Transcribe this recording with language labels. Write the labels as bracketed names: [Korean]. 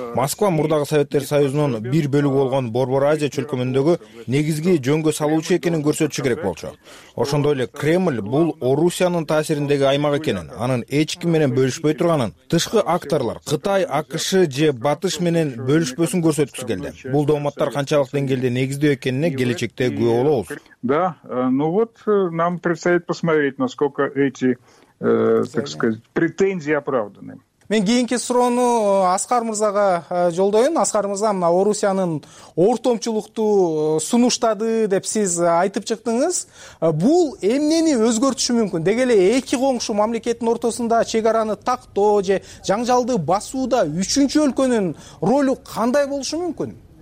[Kyrgyz] Москва мурдагы Советтер Союзунун бир бөлүгү болгон Борбор Азия чөлкөмүндөгү негизги жөнгө салуучу экенин көрсөтүшү керек болчу. Ошондой эле Кремль бул Орусиянын таасириндеги аймак экенин, анын эч ким менен бөлүшпөй турганын, тышкы акторлор Кытай, АКШ же Батыш менен бөлүшпөсүн көрсөткүсү келди. Бул дооматтар канчалык деңгээлде негиздүү экен келечекте күбө болобуз. [Russian] Да, ну вот нам предстоит посмотреть, насколько эти, так сказать, претензии оправданы. [Kyrgyz] Мен кийинки суроону Аскар мырзага жолдойюн. Аскар мырза, мына Орусиянын ортомчулукту сунуштады деп сиз айтып чыктыңыз. Бул эмнени өзгөртүшү мүмкүн? Деги эле эки коңшу мамлекеттин ортосунда чек араны тактоо же жаңжалды басууда үчүнчү өлкөнүн ролу кандай болушу мүмкүн?